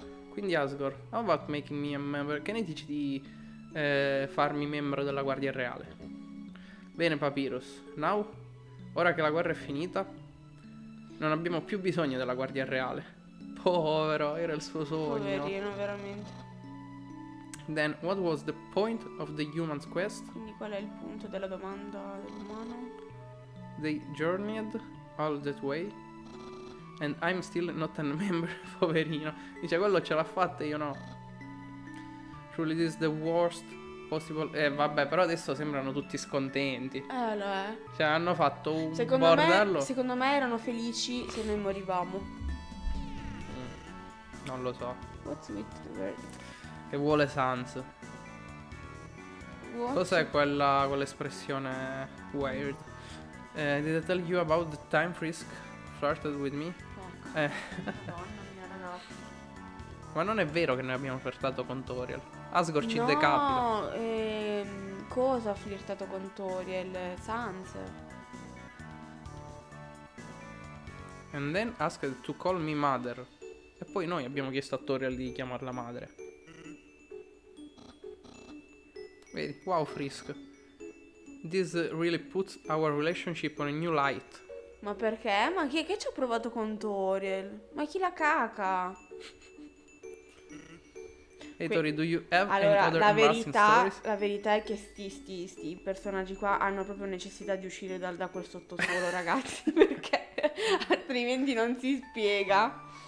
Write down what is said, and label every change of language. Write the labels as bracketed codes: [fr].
[en] Quindi Asgore, how about making me a member? [it] Che ne dici di farmi membro della Guardia Reale? Bene Papyrus, now, ora che la guerra è finita, non abbiamo più bisogno della Guardia Reale. Povero, era il suo sogno. Poverino, veramente. [en] Then, what was the point of the human's quest? [it] Quindi qual è il punto della domanda dell'umano? [en] They journeyed all that way. And I'm still not a member, poverino. [it] Dice, quello ce l'ha fatta, io no. [en] Truly this is the worst possible. [it] Vabbè, però adesso sembrano tutti scontenti. Lo è. Cioè, hanno fatto un secondo bordello. Secondo me erano felici se noi morivamo. Non lo so. [en] What's with the word? [it] Che vuole Sans. [en] What? [it] Cos'è quell'espressione weird? [en] Did I tell you about the time frisk? Flirted with me? [it] Madonna mia. Ma non è vero che noi abbiamo flirtato con Toriel. Asgore ci decapita. No, cosa ha flirtato con Toriel? Sans. [en] And then asked to call me mother. [it] E poi noi abbiamo chiesto a Toriel di chiamarla madre. Vedi, wow Frisk. [en] This really puts our relationship on a new light. [it] Ma perché? Ma chi è che ci ha provato con Toriel? Ma chi la caca? [en] Hey Tori, do you have [it] allora, [en] any other [it] la verità, la verità è che sti personaggi qua hanno proprio necessità di uscire da quel sottosuolo, ragazzi, perché altrimenti non si spiega.